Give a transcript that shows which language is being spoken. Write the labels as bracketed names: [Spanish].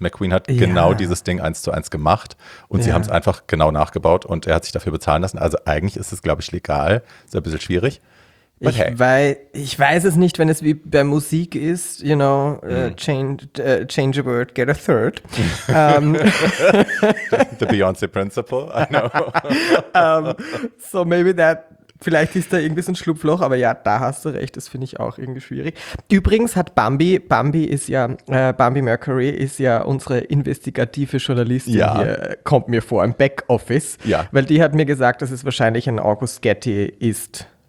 [German] McQueen hat genau dieses Ding 1:1 gemacht und sie haben es einfach genau nachgebaut und er hat sich dafür bezahlen lassen. Also eigentlich ist es, glaube ich, legal. Ist ein bisschen schwierig. Ich weiß es nicht, wenn es wie bei Musik ist, [English] you know, change a word, get a third. the Beyoncé principle, I know. so maybe that. [German] Vielleicht ist da irgendwie so ein Schlupfloch, aber ja, da hast du recht, das finde ich auch irgendwie schwierig. Übrigens hat Bambi Mercury ist ja unsere investigative Journalistin hier, kommt mir vor, im Backoffice. Ja. Weil die hat mir gesagt, dass es wahrscheinlich ein August Getty ist.